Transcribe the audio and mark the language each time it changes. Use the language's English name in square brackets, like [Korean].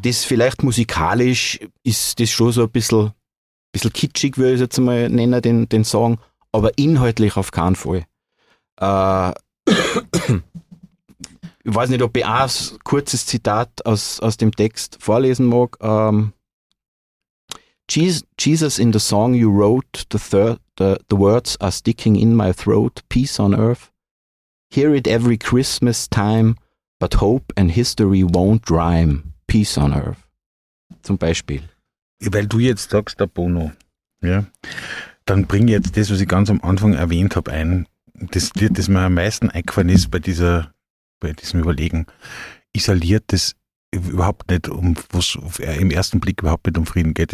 [German] Das vielleicht musikalisch ist das schon so ein bisschen kitschig, würde ich jetzt mal nennen, den Song, aber inhaltlich auf keinen Fall. Ich weiß nicht, ob ich auch ein kurzes Zitat aus dem Text vorlesen mag. [English] Jesus, in the song you wrote, the words are sticking in my throat, peace on earth. Hear it every Christmas time, but hope and history won't rhyme, peace on earth. [German] Zum Beispiel. Weil du jetzt sagst, der Bono, ja, dann bring jetzt das, was ich ganz am Anfang erwähnt habe, ein. Das Lied, das mir am meisten eingefallen ist bei diesem Überlegen, isoliert das überhaupt nicht, um was im ersten Blick überhaupt nicht um Frieden geht.